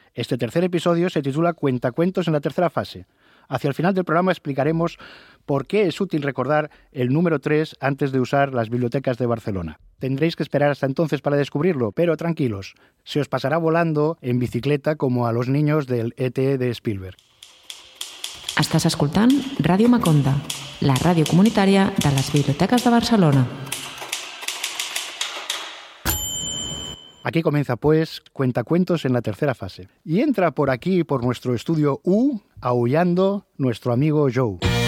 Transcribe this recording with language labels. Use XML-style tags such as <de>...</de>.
<es>Este tercer episodio se titula Cuentacuentos en la tercera fase. Hacia el final del programa explicaremos por qué es útil recordar el número 3 antes de usar las bibliotecas de Barcelona. Tendréis que esperar hasta entonces para descubrirlo, pero tranquilos, se os pasará volando en bicicleta como a los niños del ET de Spielberg.</es> <ca>Estàs escoltant Ràdio Maconda, la ràdio comunitària de les biblioteques de Barcelona.</ca> <es>Aquí comienza, pues, Cuentacuentos en la tercera fase. Y entra por aquí, por nuestro estudio U, aullando nuestro amigo Joe.</es>